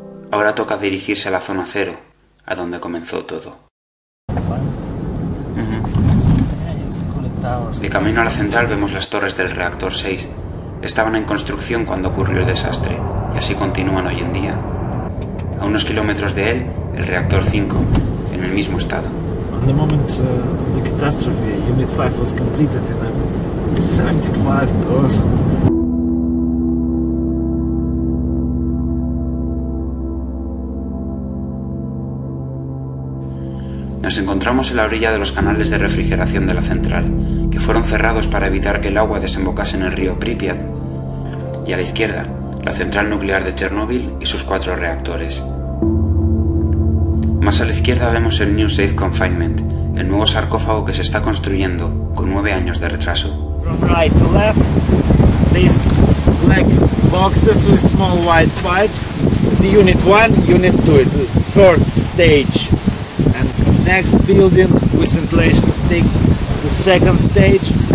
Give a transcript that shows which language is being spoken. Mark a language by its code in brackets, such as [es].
[es] Ahora toca dirigirse a la zona cero, a donde comenzó todo. De camino a la central vemos las torres del reactor 6. Estaban en construcción cuando ocurrió el desastre, y así continúan hoy en día. A unos kilómetros de él, el reactor 5. En el mismo estado. [en] On the moment of the catastrophe, Unit 5 was completed in 75%. [es] Nos encontramos en la orilla de los canales de refrigeración de la central, que fueron cerrados para evitar que el agua desembocase en el río Pripyat. Y a la izquierda, la central nuclear de Chernóbil y sus 4 reactores. Más a la izquierda vemos el New Safe Confinement, el nuevo sarcófago que se está construyendo con 9 años de retraso. [en] From right to left, these black boxes with small white pipes. It's unit 1, unit 2, it's the third stage. And next building with ventilation stick, the second stage.